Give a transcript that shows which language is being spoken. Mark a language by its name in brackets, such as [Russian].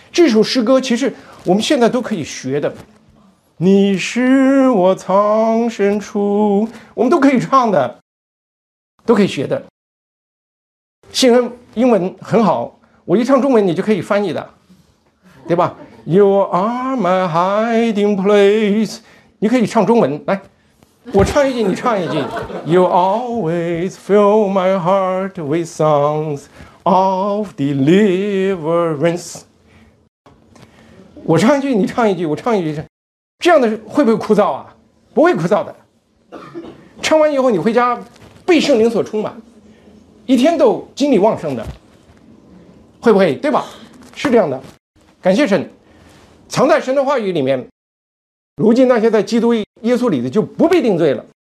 [Chinese] 这首诗歌其实我们现在都可以学的。你是我藏身处，我们都可以唱的，都可以学的。信恩英文很好，我一唱中文你就可以翻译的，对吧？ [English] You are my hiding place， [Chinese] 你可以唱中文来，我唱一句你唱一句。 [English] You always fill my heart with songs of deliverance， [Chinese] 我唱一句你唱一句，我唱一句。这样的会不会枯燥啊？不会枯燥的，唱完以后你回家被圣灵所充满，一天都精力旺盛的，会不会？对吧？是这样的。感谢神，藏在神的话语里面，如今那些在基督耶稣里的就不被定罪了。